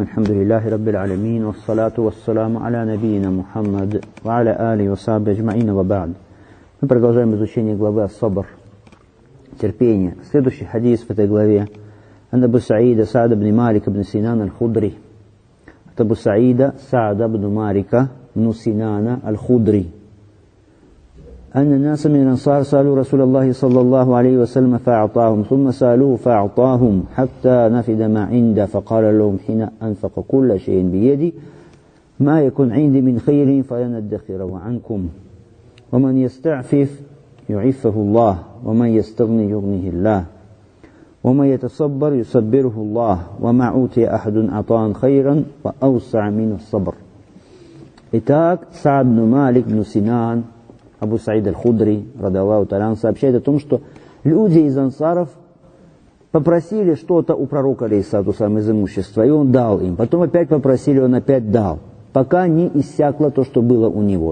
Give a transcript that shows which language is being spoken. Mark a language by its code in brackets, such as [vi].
[ar] الحمد لله رب العالمين، والصلاة والسلام على نبينا محمد وعلى آله وصحبه أجمعين. وبعد، [ru] мы продолжаем изучение главы الصبر، терпение. Следующий хадис в этой главе [ar] عن أبو سعيد سعد بن مالك بن سنان الخضري. أبو سعيد سعد بن مالك بن سنان الخضري أن الناس من الأنصار سألوا رسول الله صلى الله عليه وسلم فأعطاهم، ثم سألوه فأعطاهم حتى نفد ما عنده، فقال لهم حين أنفق كل شيء بيدي ما يكون عندي من خير فلن أدخر عنكم، ومن يستعفف يعفه الله، ومن يستغني يغنه الله، ومن يتصبر يصبره الله، وما أوتي أحد أعطاه خيرا وأوسع من الصبر. إتاك سعد بن مالك بن سنان [ru] Абу Саид аль-Худри, радиаллаху талан, сообщает о том, что люди из ансаров попросили что-то у пророка, алейхиссалату вассалям, из имущества, и он дал им. Потом опять попросили, он опять дал, пока не иссякло то, что было у него.